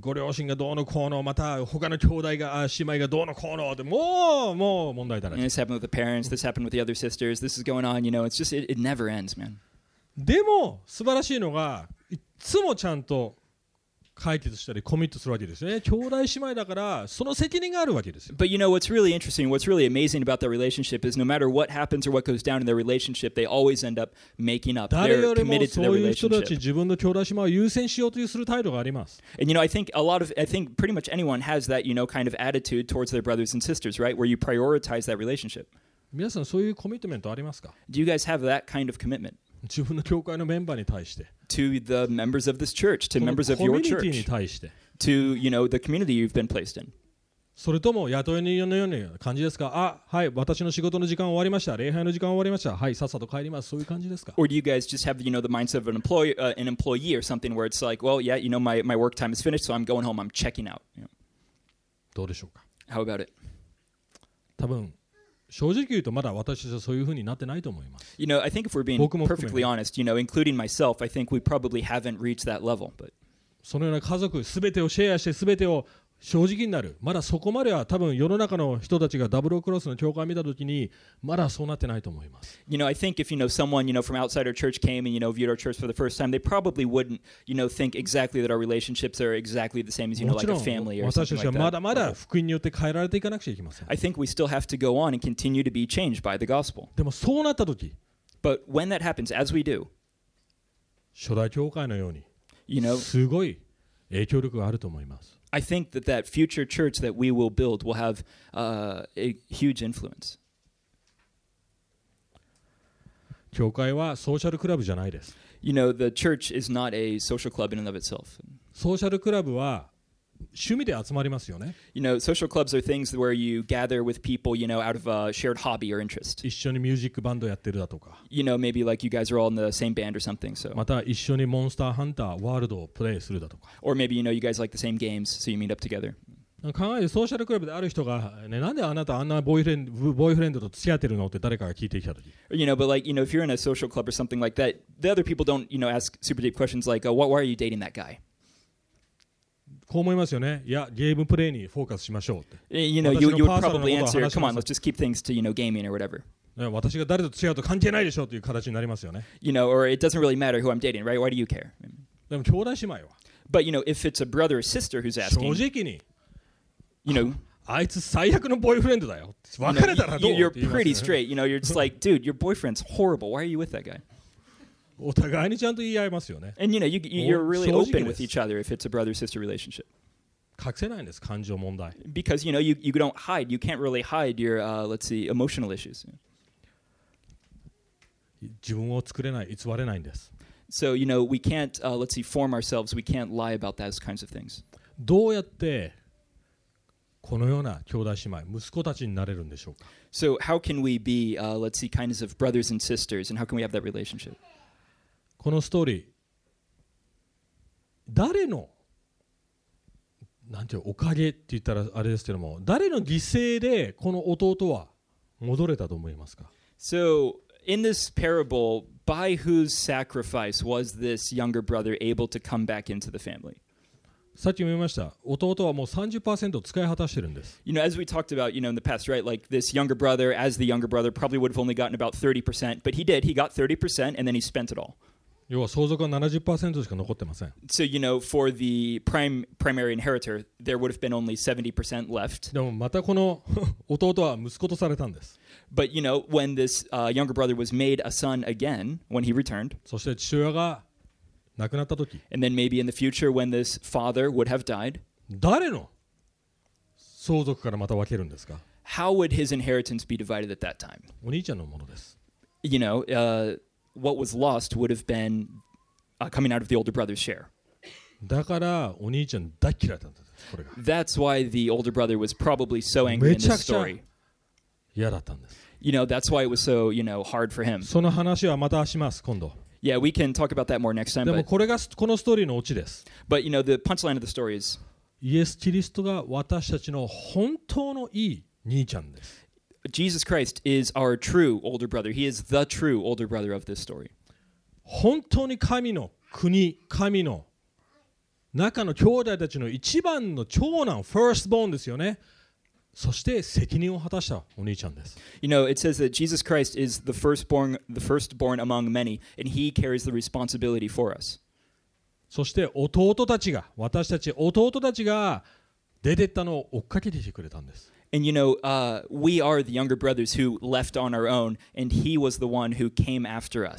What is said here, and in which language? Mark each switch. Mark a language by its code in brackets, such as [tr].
[ja] ご両親がどうのこうの、また他の兄弟が、姉妹がどうのこうの、もう問題だらけ。 [en] This happened with the parents, this happened with the other sisters, this is going on, you know, it's just, it never ends, man. [ja] でも、素晴らしいのが、いつもちゃんと解決したりコミットするわけですね。兄弟姉妹だからその責任があるわけです。 [en] But you know what's really interesting, what's really amazing about their relationship is no matter what happens or what goes down in their relationship, they always end up making up. They're committed to their relationship. [ja] 誰よりもそういう人たち自分の兄弟姉妹を優先しようというする態度があります。 [en] And you know, I think pretty much anyone has that, you know, kind of attitude towards their brothers and sisters, right? Where you prioritize that relationship. [ja] 皆さんそういうコミットメントありますか? [en] Do you guys have that kind of commitment? [ja] 自分の教会のメンバーに対して。 [en] To the members of this church, to members of your church, to you know the community you've been placed in. [ja] それとも雇い人のような感じですか。あ、はい、私の仕事の時間終わりました。礼拝の時間終わりました。はい、さっさと帰ります。そういう感じですか。 [en] Or do you guys just have you know the mindset of an employee or something where it's like, well, yeah, you know my work time is finished, so I'm going home, I'm checking out. You know? [ja] どうでしょうか。 [en] How about it? [ja] 多分。正直言うとまだ私たちはそういうふうになってないと思います。 [en] You know, I think if we're being perfectly honest, you know, including myself, I think we probably haven't reached that level. But [ja] そのような家族すべてをシェアしてすべてを正直になる。まだそこまでは多分世の中の人たちがダブルクロスの教会を見たときにまだそうなってないと思います。 [en] You know, I think if you know someone you know from outside our church came and you know viewed our church for the first time, they probably wouldn't you know think exactly that our relationships are exactly the same as you know like a family or something like that. [ja] もちろん私たちはまだまだ福音によって変えられていかなくちゃいけません。 [en] I think we still have to go on and continue to be changed by the gospel. [ja] でもそうなったとき、 [en] But when that happens, as we do, [ja] 初代教会のように、 [en] You know, [ja] すごい影響力があると思います。 [en] I think that that future church that we will build will have a huge influence. [ja] 教会はソーシャルクラブじゃないです。 [en] You know, the church is not a social club in and of itself. [ja] ソーシャルクラブは趣味で集まりますよね。 [en] You know, social clubs are things where you gather with people, you know, out of a shared hobby or interest. [ja] 一緒にミュージックバンドやってるだとか。 [en] You know, maybe like you guys are all in the same band or something. So. [ja] また一緒にモンスターハンターワールドをプレイするだとか。 [en] Or maybe you know you guys like the same games, so you meet up together. [ja] 考えてソーシャルクラブである人がね、なんであなたあんなボーイフレンドと付き合ってるのって誰かが聞いてきたとき。 [en] You know, but like you know, if you're in a social club or something like that, the other people don't you know ask super deep questions like, oh, why are you dating that guy? [ja] こう思いますよね。いや、ゲームプレイにフォーカスしましょうって。 [en] You know, you would probably answer, come on, let's just keep things to, you know, gaming or whatever. [ja] 私が誰と付き合うと関係ないでしょうという形になりますよね。 [en] You know, or it doesn't really matter who I'm dating, right? Why do you care? [ja] でも兄弟姉妹は。 [en] But, you know, if it's a brother or sister who's asking, [ja] 正直に、 [en] you know, [ja] あいつ最悪のボーイフレンドだよ。別れたらどう? [en] You're pretty straight, you know, you're just like, dude, your boyfriend's horrible. Why are you with that guy? [ja] お互いにちゃんと言い合いますよね。 [en] And you know, you're really open with each other if it's a brother-sister relationship. [ja] 隠せないんです、感情問題。 [en] Because you know, you don't hide. You can't really hide your, let's see, emotional issues. [ja] 自分を作れない、偽れないんです。 [en] So you know, we can't, let's see, form ourselves. We can't lie about those kinds of things. [ja] どうやってこのような兄弟姉妹、息子たちになれるんでしょうか。 [en] So how can we be, let's see, kinds of brothers and sisters, and how can we have that relationship? [ja] このストーリー誰のなんていうおかげって言ったらあれですけども誰の犠牲でこの弟は戻れたと思いますか [en] So in this parable by whose sacrifice was this younger brother able to come back into the family? [ja] さっき言いました弟はもう 30% 使い果たしてるんです [en] You know as we talked about you know in the past right like this younger brother as the younger brother probably would have only gotten about 30% but he did he got 30% and then he spent it all [ja] 要は相続は 70% しか残ってません。 [en] So, you know, for the primary inheritor, there would have been only 70% left. [ja] でもまたこの弟は息子とされたんです。 [en] But, you know, when this younger brother was made a son again, when he returned, [ja] そして父親が亡くなった時、 [en] and then maybe in the future when this father would have died, [ja] 誰の相続からまた分けるんですか? [en] How would his inheritance be divided at that time? [ja] お兄ちゃんのものです。 [en] You know, What was lost would have been coming out of the older brother's share. [ja] だからお兄ちゃん大嫌いだったんです。これが。 [en] That's why the older brother was probably so angry in this story. [ja] めちゃくちゃ嫌だったんです。 [en] You know, that's why it was so, you know, hard for him. [ja] その話はまたします、今度。 [en] Yeah, we can talk about that more next time. [ja] でもこれがこのストーリーのオチです。 [en] But, you know, the punchline of the story is [ja] イエス・キリストが私たちの本当のいい兄ちゃんです。 [en] Jesus Christ is our true older brother. He is the true older brother of this story. [ja] 本当に神の国、神の中の兄弟たちの一番の長男、firstborn ですよね。そして責任を果たしたお兄ちゃんです。 [en] You know, it says that Jesus Christ is the firstborn among many, and he carries the responsibility for us. [ja] そして弟たちが、私たち弟たちが出てったのを追っかけてきてくれたんです。 [en] And you know, we are the younger brothers who left on our own, and he was the one who came after us.